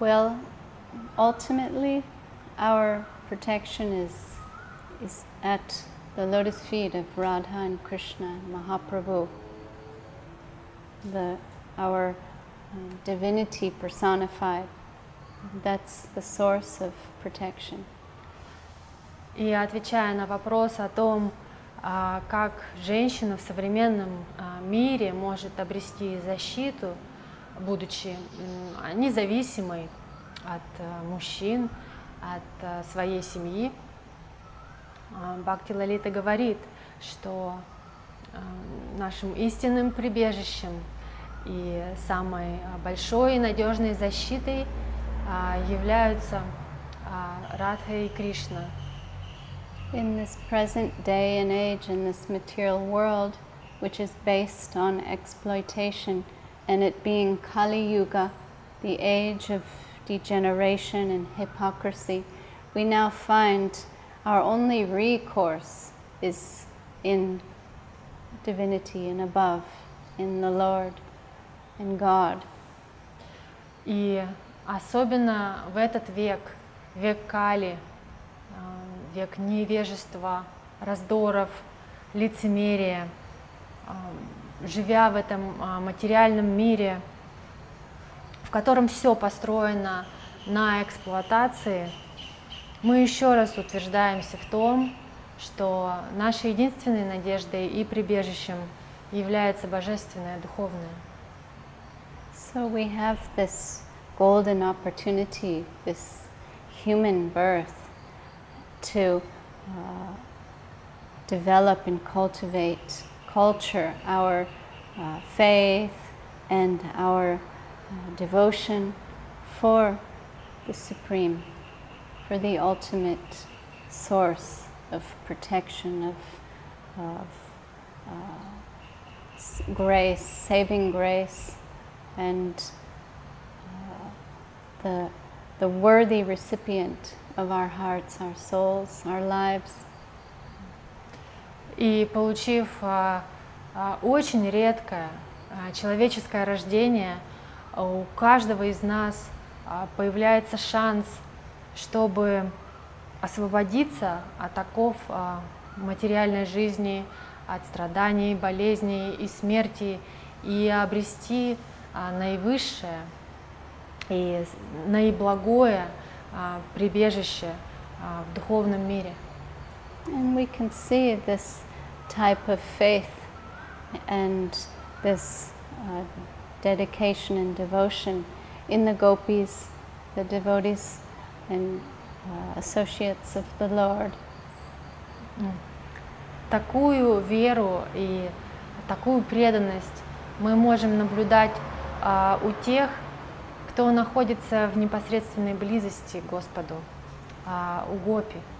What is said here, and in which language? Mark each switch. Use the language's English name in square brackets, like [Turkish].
[English] Well, ultimately our protection is at the lotus feet of Radha and Krishna, Mahaprabhu. Our divinity personified, that's the source of protection. [Russian] И отвечая на вопрос о том, как женщина в современном мире может обрести защиту, будучи независимой от мужчин, от своей семьи, Бхакти Лалита говорит, что нашим истинным прибежищем и самой большой и надежной защитой являются Радха и Кришна. [English] In this present day and age, in this material world, which is based on exploitation, and it being Kali Yuga, the age of degeneration and hypocrisy, we now find our only recourse is in divinity and above, in the Lord and God. [Russian] И особенно в этот век, век Кали, век невежества, раздоров, лицемерия, живя в этом материальном мире, в котором все построено на эксплуатации, мы еще раз утверждаемся в том, что нашей единственной надеждой и прибежищем является Божественное Духовное. [English] So we have this golden opportunity, this human birth, to develop and cultivate culture, our faith and our devotion for the Supreme, for the ultimate source of protection, of grace, saving grace, and the worthy recipient of our hearts, our souls, our lives. [Russian] И получив очень редкое человеческое рождение, у каждого из нас появляется шанс, чтобы освободиться от оков материальной жизни, от страданий, болезней и смерти, и обрести наивысшее и наиблагое прибежище в духовном мире. [English] And we can see this type of faith and this dedication and devotion in the gopis, the devotees and associates of the Lord. [Russian] Такую веру и такую преданность мы можем наблюдать у тех, кто находится в непосредственной близости к Господу, у гопи.